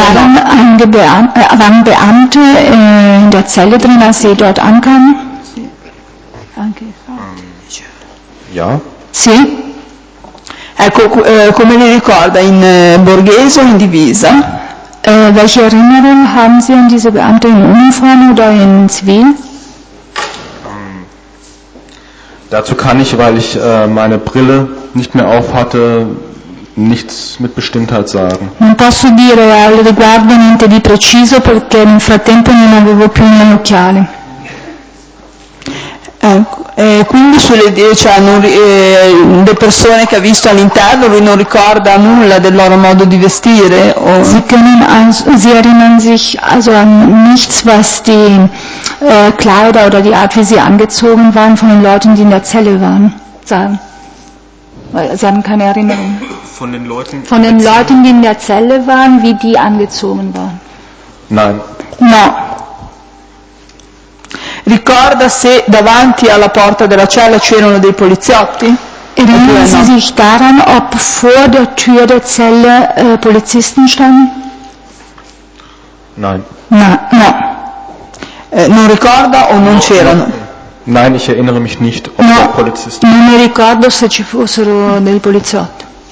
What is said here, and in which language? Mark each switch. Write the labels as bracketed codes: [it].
[de] waren [it] no? [de] Waren Beamte in der Zelle drin, als sie dort ankamen? Ja. Ja. [it] Sì. Ecco, come li ricorda, in borghese o in divisa? [de] Welche Erinnerung haben Sie an diese Beamte in Uniform oder in Zivil? Dazu kann ich, weil ich meine Brille nicht mehr auf hatte, nichts mit Bestimmtheit sagen. [it] Non posso dire al riguardo niente di preciso perché nel frattempo non avevo più gli occhiali. Quindi sulle le persone che ha visto all'interno lui non ricorda nulla del loro modo di vestire o [de] sie erinnern sich also an nichts was die Kleider oder die Art wie sie angezogen waren von den Leuten die in der Zelle waren sagen weil sie haben keine Erinnerung von den Leuten die in der Zelle waren wie die angezogen waren nein [it] no. Ricorda se davanti alla porta della cella c'erano dei poliziotti? [de] Erinnern Sie sich daran, ob vor der Tür der Zelle Polizisten standen? Nein. [it] No. Non ricorda o non c'erano? [de] Nein, ich erinnere mich nicht, ob da Polizisten. [it] Non mi ricordo se ci fossero dei poliziotti.